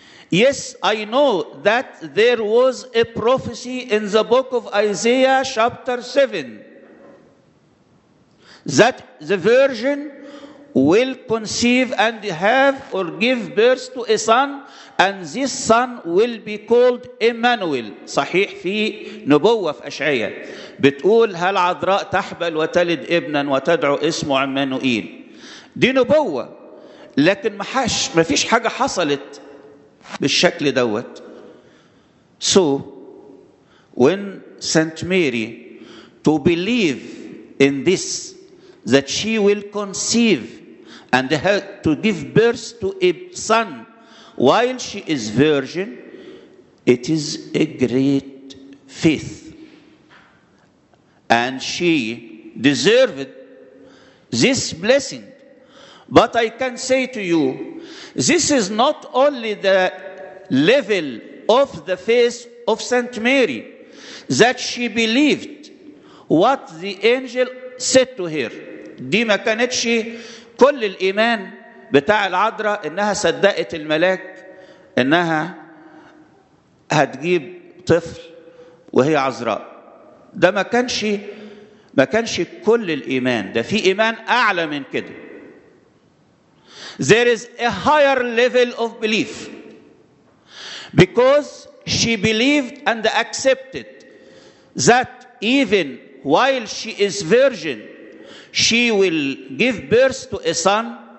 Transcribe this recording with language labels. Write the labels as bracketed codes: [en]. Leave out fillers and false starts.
[en] Yes, I know that there was a prophecy in the book of Isaiah chapter 7 that the virgin will conceive and have or give birth to a son, and this son will be called Emmanuel. [ar] صحيح في نبوة في أشعياء بتقول هل عذراء تحبل وتلد ابنا وتدعو اسمه عمانوئيل. دي نبوة، لكن ما فيش حاجة حصلت بالشكل دوت. [en] So when Saint Mary to believe in this that she will conceive and to give birth to a son while she is virgin, it is a great faith. And she deserved this blessing. But I can say to you, this is not only the level of the faith of Saint Mary, that she believed what the angel said to her. [ar] دي ما كانتش كل الإيمان بتاع العذراء، إنها صدقت الملاك إنها هتجيب طفل وهي عذراء. ده ما كانش كل الإيمان، ده في إيمان أعلى من كده. [en] There is a higher level of belief because she believed and accepted that even while she is virgin, she will give birth to a son.